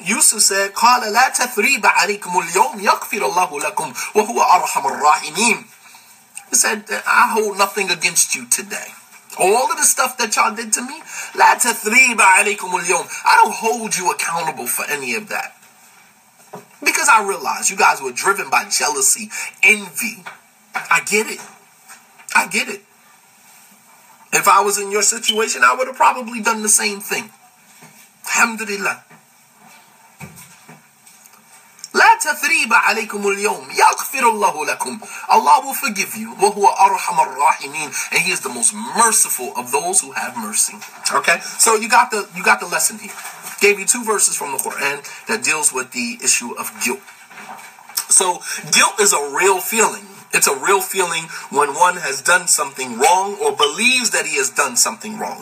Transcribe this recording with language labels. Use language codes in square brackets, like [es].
[en] Yusuf said, [ar] قَالَ لَا تَثْرِيبَ عَلَيْكُمُ الْيَوْمِ يَغْفِرَ اللَّهُ لَكُمْ وَهُوَ أَرْحَمَ الرَّاحِمِينَ. [en] He said, I hold nothing against you today. All of the stuff that y'all did to me, [ar] لَا تَثْرِيبَ عَلَيْكُمُ الْيَوْمِ. [en] I don't hold you accountable for any of that. Because I realize you guys were driven by jealousy, envy. I get it. If I was in your situation, I would have probably done the same thing. Alhamdulillah. [ar] لا تثريب عليكم اليوم يغفر الله لكم. [en] Allah will forgive you. [ar] وهو أرحم الراحمين. [en] And he is the most merciful of those who have mercy. Okay? So you got the lesson here. Gave you two verses from the Quran that deals with the issue of guilt. So guilt is a real feeling. It's a real feeling when one has done something wrong or believes that he has done something wrong.